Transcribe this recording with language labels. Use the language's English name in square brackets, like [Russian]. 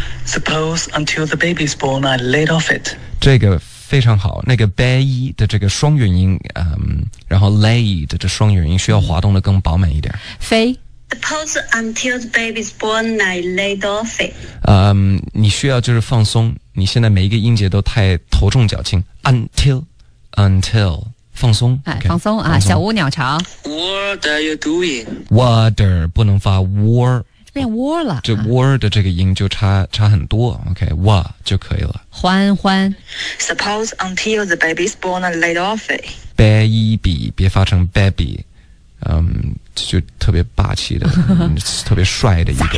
[English] Suppose until the baby's born, I laid off it. [Chinese] 这个非常好那个 bay 的这个双元音然后 lay 的这双元音需要滑动的更饱满一点。飞。 [English] Suppose until the baby's born, I laid off it. [Chinese] 你需要就是放松，你现在每一个音节都太头重脚轻。 [English] Until, [Chinese] 放松。 [English] Okay, [Chinese] 放松啊，松小乌鸟巢。 [English] What are you doing? [Chinese] Water, 不能发 war。变 war 了。这 war 的这个音就差很多。 [English] Okay, [Chinese] wa 就可以了。欢欢。 [English] Suppose until the baby's born, I laid off it. [Chinese] Baby, 别发成 baby。就特别霸气的特别帅的一个